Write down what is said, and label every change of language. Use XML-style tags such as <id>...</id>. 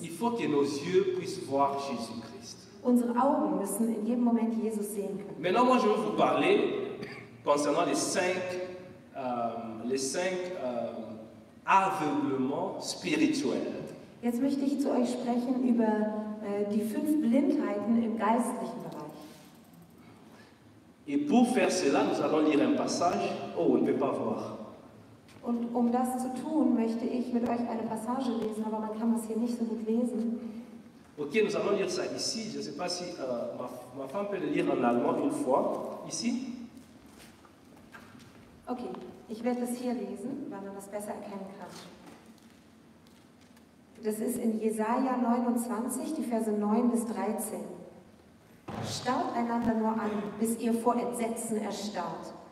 <fr>Il faut que nos yeux puissent voir Jésus Christ.</fr> <de>Unsere Augen müssen in jedem Moment Jesus sehen können.</de> <fr>Maintenant, moi, je vais vous parler concernant les cinq aveuglements spirituels.</fr> <de>Jetzt möchte ich zu euch sprechen über die fünf Blindheiten im geistlichen Bereich.</de> <fr>Et pour faire cela, nous allons lire un passage. Oh, on ne peut pas voir.</fr> <de>Und um das zu tun, möchte ich mit euch eine Passage lesen, aber man kann das hier nicht so gut lesen.</de> <fr>Okay, nous allons lire ça ici. Je ne sais pas si ma femme peut le lire en allemand une fois. Ici.</fr> <de>Okay, ich werde das hier lesen, weil man das besser erkennen kann. Das ist in Jesaja 29, die Verse 9 bis 13. Starrt einander nur an, bis ihr vor Entsetzen erstarrt.</de>